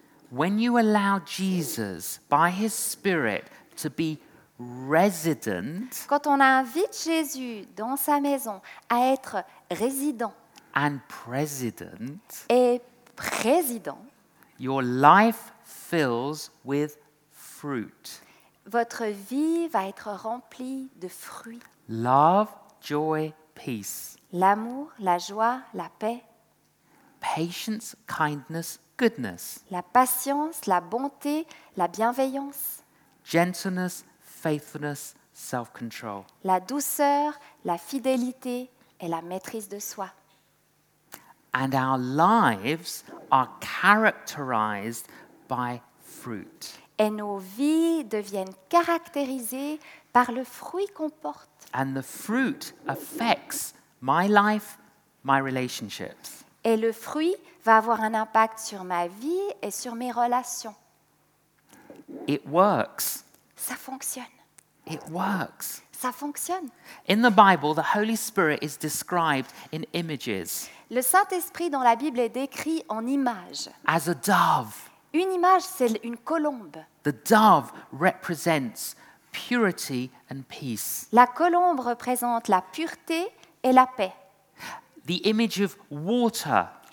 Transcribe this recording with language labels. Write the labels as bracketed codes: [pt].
[en] When you allow Jesus by his spirit to be resident, [fr] quand on invite Jésus dans sa maison à être résident [en] and president, [fr] et président, [en] your life fills with fruit. [fr] Votre vie va être remplie de fruits. [en] Love, joy, peace. [fr] L'amour, la joie, la paix. [en] Patience, kindness, goodness. [fr] La patience, la bonté, la bienveillance. [en] Gentleness, faithfulness, self-control. [fr] La douceur, la fidélité et la maîtrise de soi. [en] And our lives are characterized by fruit. [fr] Et nos vies deviennent caractérisées par le fruit qu'on porte. [en] And the fruit affects my life, my relationships. [fr] Et le fruit va avoir un impact sur ma vie et sur mes relations. [en] It works. [fr] Ça fonctionne. [en] It works. [fr] Ça fonctionne. [en] In the Bible, the Holy Spirit is described in images. [fr] Le Saint-Esprit dans la Bible est décrit en images. [en] As a dove. [fr] Une image, c'est une colombe. [en] The dove represents purity and peace. [fr] La colombe représente la pureté et la paix. [en] the image of water.